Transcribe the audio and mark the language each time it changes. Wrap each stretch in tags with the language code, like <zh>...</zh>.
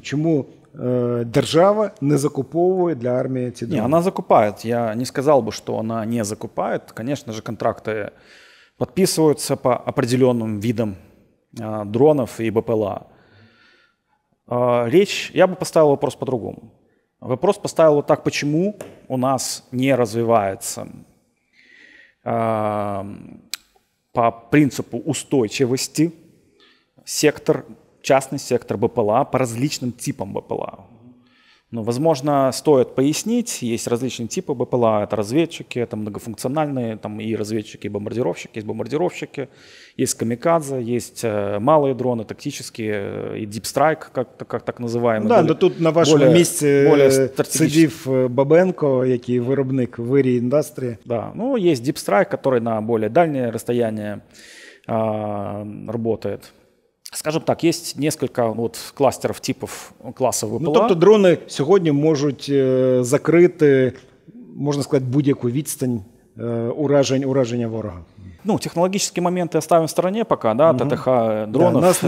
<uk>Чому держава не закуповує для армії ці дрони? Ні, вона закупає. Я не сказав би, що вона не закупає. Звісно ж, контракти підписуються</uk> <ru>по определеним</ru> <uk>видам дронів і БПЛА. Я би поставив питання по-другому.</uk> <ru>Вопрос поставил вот так, почему у нас не развивается по принципу устойчивости сектор, частный сектор БПЛА по различным типам БПЛА. Ну, возможно, стоит пояснить, есть различные типы БПЛА, это разведчики, это многофункциональные, там и разведчики, и бомбардировщики, есть бомбардировщики, есть камикадзе, есть малые дроны тактические, и deep strike, как так называемый. Да, но тут на вашем месте</ru> <uk>сидів Бабенко, який виробник в Ірі Індастрії.</uk> <ru>Да, ну есть deep strike, который на более дальнее расстояние работает.</ru> <uk>Скажем так, є несколько от кластерів типів класів ВПЛА. Ну, тобто дрони сьогодні можуть закрити, можна сказати, будь-яку відстань ураження ворога. Ну, технологічні моменти</uk> <ru>оставим</ru> <uk>в стороні поки, да, угу. ТТХ дронів. Да,</uk>